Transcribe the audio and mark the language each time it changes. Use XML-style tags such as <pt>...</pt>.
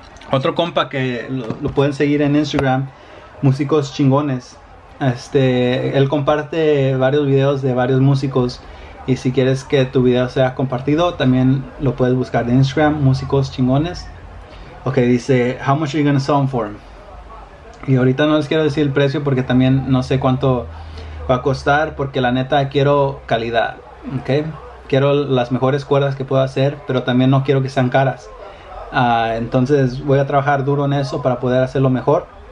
<es>Otro compa que lo pueden seguir en Instagram, Músicos Chingones. Él comparte varios videos de varios músicos. Y si quieres que tu video sea compartido, también lo puedes buscar en Instagram, Músicos Chingones.</es> <en>Ok,</en> <es>dice,</es> <en>how much are you gonna sell them for?</en> <es>Y ahorita no les quiero decir el precio porque también no sé cuánto va a costar. Porque la neta, quiero calidad, ok. Quiero las mejores cuerdas que pueda hacer, pero también no quiero que sean caras. Entonces voy a trabajar duro en eso para poder hacerlo mejor.</es>